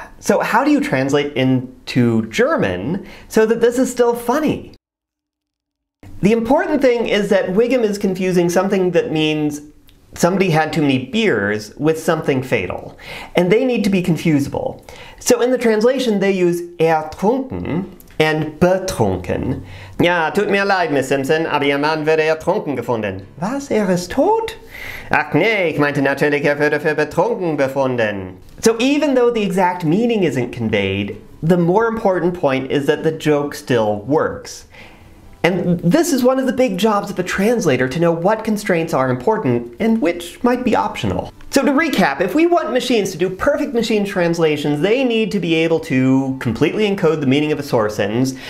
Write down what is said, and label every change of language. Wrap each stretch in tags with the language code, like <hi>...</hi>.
<en>So, how do you translate into German so that this is still funny? The important thing is that Wiggum is confusing something that means somebody had too many beers with something fatal, and they need to be confusable. So in the translation, they use ertrunken and betrunken.</en> <de>Ja, tut mir leid, Miss Simpson, aber Ihr Mann wurde ertrunken gefunden. Was, ist tot? Ach nee, ich meinte natürlich, wurde für betrunken befunden.</de> <en>So even though the exact meaning isn't conveyed, the more important point is that the joke still works. And this is one of the big jobs of a translator, to know what constraints are important and which might be optional. So to recap, if we want machines to do perfect machine translations, they need to be able to completely encode the meaning of a source sentence,</en>